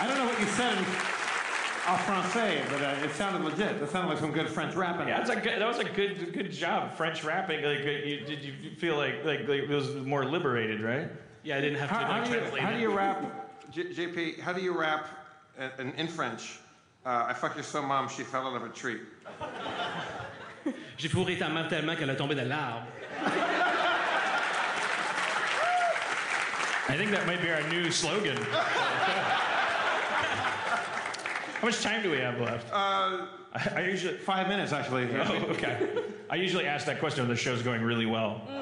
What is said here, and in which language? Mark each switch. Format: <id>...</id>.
<en>I don't know what you said in</en> <fr>en français,</fr> <en>but it sounded legit. That sounded like some good French rapping. Yeah, that was a good job, French rapping. Like, did you feel like it was more liberated, right? Yeah, I didn't have to translate it. How do you rap, JP, how do you rap in French? I fuck your so mom, she fell out of a tree.</en> <fr>J'ai fourré ta mère tellement qu'elle est tombée de l'arbre.</fr> <en>I think that might be our new slogan. How much time do we have left? I usually 5 minutes, actually. Oh, okay. I usually ask that question when the show's going really well.</en>